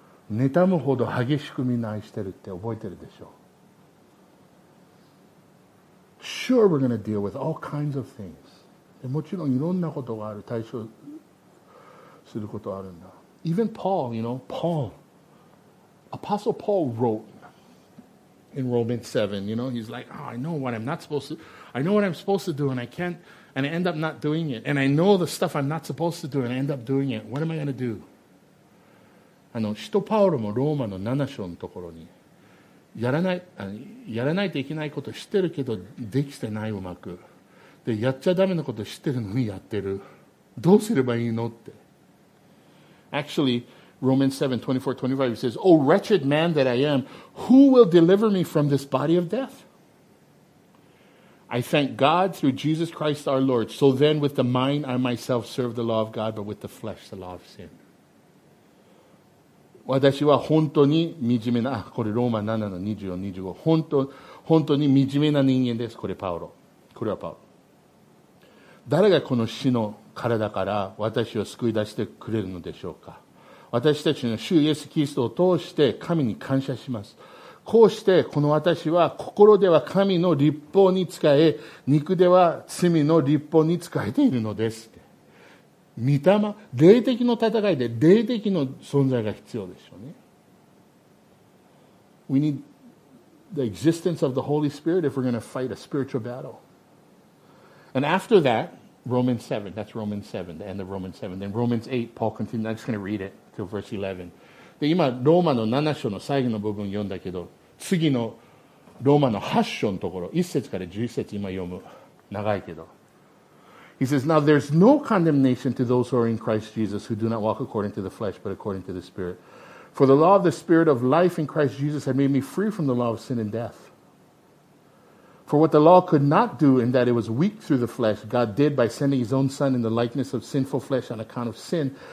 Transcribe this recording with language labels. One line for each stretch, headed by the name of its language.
Japanese: 妬むほど激しくみんな愛してるって覚えてるでしょう。
English: Sure, we're going to deal with all kinds of things.
Japanese: もちろんいろんなことがある、対処することがあるんだ。
English: Even Paul, you know, Paul, Apostle Paul wrote in Romans 7, you know, he's like, oh, I know what I'm not supposed to, I know what I'm supposed to do, and I can't, and I end up not doing it, and I know the stuff I'm not supposed to do, and I end up doing it. What am I going to do?
Japanese: あの、使徒パウロもローマの7章のところに、やらないといけないこと知ってるけどできてないうまく、でやっちゃダメなこと知ってるのにやってる、どうすればいいのって。
English: Actually Romans 7:24-25 says, Oh wretched man that I am, who will deliver me from this body of death? I thank God through Jesus Christ our Lord. So then with the mind I myself serve the law of God, but with the flesh the law of sin.
Japanese: 私は本当に惨めな、あ、これローマ7の24-25、本当に惨めな人間です。これパウロ。これはパウロ。誰がこの死の体から私を救い出してくれるのでしょうか。私たちの主イエス・キリストを通して神に感謝します。こうしてこの私は心では神の律法に仕え、肉では罪の律法に仕えているのです。御霊、霊的の戦いで霊的の存在が必要でしょうね。
English: We need the existence of the Holy Spirit if we're going to fight a spiritual battle. And after that, Romans 7, that's Romans 7, the end of Romans 7. Then Romans 8, Paul continues, I'm just going to read it till verse 11.
Japanese: で、今、ローマの7章の最後の部分読んだけど、次のローマの8章のところ、1節から11節今読む。長いけど。
English: He says, Now there's no condemnation to those who are in Christ Jesus who do not walk according to the flesh but according to the Spirit. For the law of the Spirit of life in Christ Jesus had made me free from the law of sin and death. For what the law could not do in that it was weak through the flesh, God did by sending His own Son in the likeness of sinful flesh on account of sin.